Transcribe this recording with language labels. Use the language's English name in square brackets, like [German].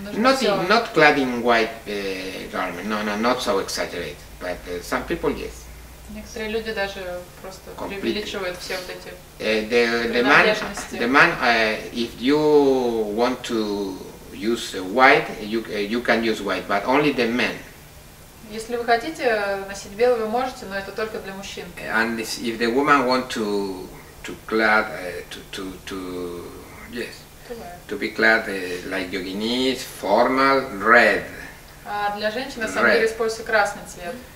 [English] Not clad in white garment, no, not so exaggerated, but some people, yes. [Russian] Некоторые люди даже просто преувеличивают все вот эти принадлежности. [English] The man, if you want to use white, you can use white, but only the men. [Russian] Если вы хотите носить белый, вы можете, но это только для мужчин. [English] And if the woman want to clad to yes, to be clad like yoginis, formal, red. [Russian] А для женщин на самом деле используется красный цвет.